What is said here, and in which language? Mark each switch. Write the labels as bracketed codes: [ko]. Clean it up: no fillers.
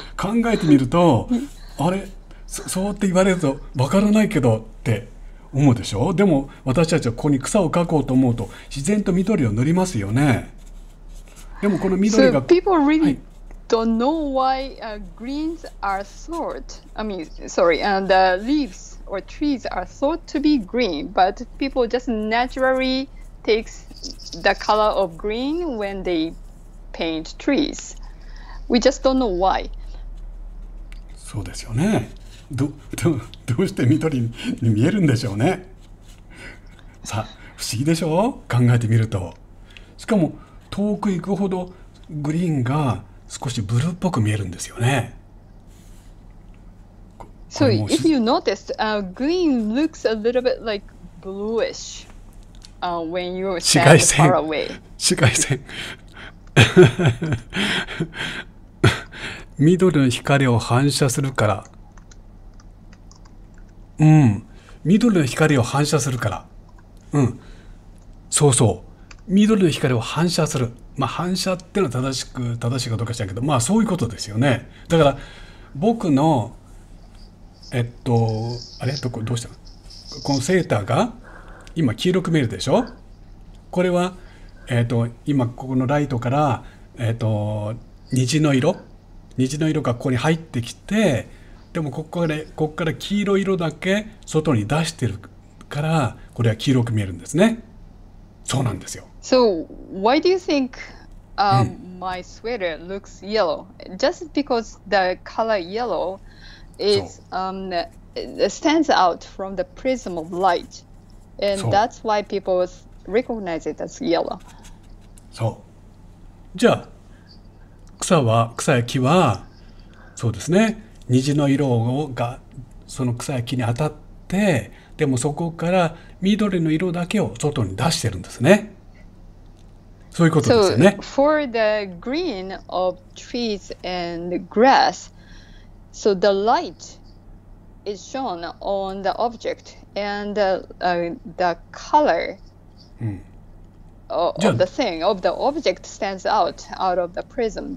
[ja] 考えてみると、あれ、そうって言われるとわからないけどって思うでしょ。でも私たちはここに草を描こうと思うと自然と緑を塗りますよね。でもこの緑が、 [en] so people really、はい、don't know why、greens are thought, I mean, sorry, and the、leaves or trees are thought to be green, but people just naturally take the color of green when they paint trees. We just don't know why. [ja] そうですよね。どうして緑に見えるんでしょうね。さ、不思議でしょ？考えてみると。しかも遠く行くほどグリーンが少しブルーっぽく見えるんですよね。 [en] So if you noticed, green looks a little bit like bluish, when you are standing far away. [ja] 紫外線。紫外線。緑の光を反射するから。うん。緑の光を反射するから。うん。そうそう。緑の光を反射する。まあ、反射っていうのは正しいかどうかしらけど、まあそういうことですよね。だから僕のあれ、どうしたの、このセーターが今黄色く見えるでしょ。これは今ここのライトから虹の色がここに入ってきて、でもここから黄色色だけ外に出してるから、これは黄色く見えるんですね。そうなんですよ。 [en] So why do you think my sweater looks yellow? Just because the color yellow is stands out from the prism of light, and that's why people recognize it as yellow. [ja] そう。じゃあ草や木は、そうですね、虹の色がその草や木に当たって、でもそこから緑の色だけを外に出してるんですね。そういうことですよね。 [en] So, for the green of trees and grass, so the light is shown on the object and the color of the thing, of the object stands out of the prism.